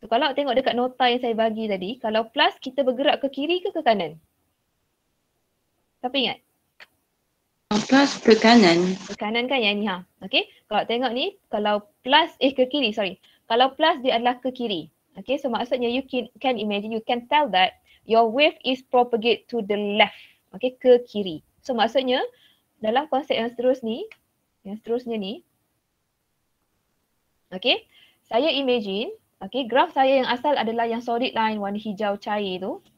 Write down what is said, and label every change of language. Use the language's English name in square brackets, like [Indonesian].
[Malay] So kalau tengok dekat nota yang saya bagi tadi, kalau plus kita bergerak ke kiri ke kanan? Siapa ingat? Plus ke kanan. Ke kanan kan yang ni ha. Okay, kalau tengok ni, kalau plus, ke kiri, sorry. Kalau plus dia adalah ke kiri. [English] Okay, so maksudnya you can imagine, you can tell that your wave is propagate to the left. [Malay] Okay, ke kiri. So maksudnya dalam konsep yang seterusnya ni, okay, saya imagine, okay, graf saya yang asal adalah yang solid line warna hijau cair tu.